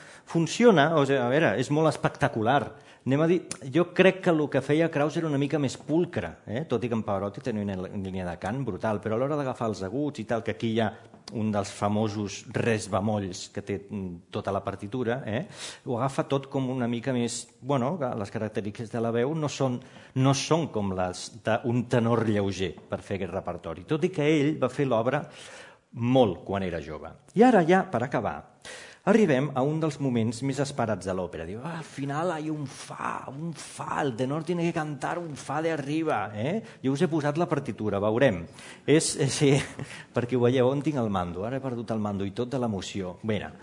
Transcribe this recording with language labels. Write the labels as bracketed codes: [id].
[ca] Funciona, o sigui, a veure, és molt espectacular. Anem a dir, jo crec que el que feia Kraus era una mica més pulcre, tot i que en Pavarotti tenia una línia de cant brutal, però a l'hora d'agafar els aguts i tal, que aquí hi ha un dels famosos res bemolls que té tota la partitura, ho agafa tot com una mica més... Bueno, les característiques de la veu no són com les d'un tenor lleuger per fer aquest repertori, tot i que ell va fer l'obra molt quan era jove. I ara ja, per acabar... Arribem a un dels moments més esperats de l'òpera. Diu, al final hi ha un fa, [es] el tenor tiene que cantar un fa de arriba. [ca] Jo us he posat la partitura, veurem. És, sí, perquè ho veieu, on tinc el mando? Ara he perdut el mando i tot de l'emoció. Bé,